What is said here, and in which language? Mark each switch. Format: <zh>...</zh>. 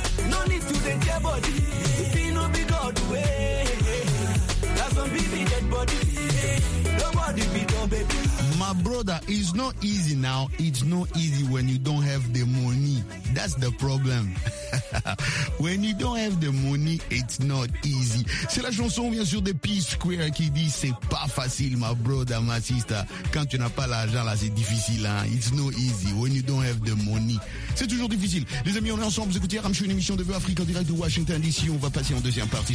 <en>No need to take your body. If you know be God way, that's when baby dead body. Nobody be no baby. My brother, it's not easy now. It's not easy when you don't have the money. That's the problem. When you don't have the money, it's not easy.</en> <fr>C'est la chanson, bien sûr, de P Square qui dit c'est pas facile,</fr> <en>my brother, my sister.</en> <fr>Quand tu n'as pas l'argent, là, c'est difficile. Hein?</fr> <en>It's not easy when you don't have the money.</en> <fr>C'est toujours difficile. Les amis, on est ensemble. Vous écoutez Ramchou, une émission de Vue Afrique en direct de Washington DC. On va passer en deuxième partie.</fr>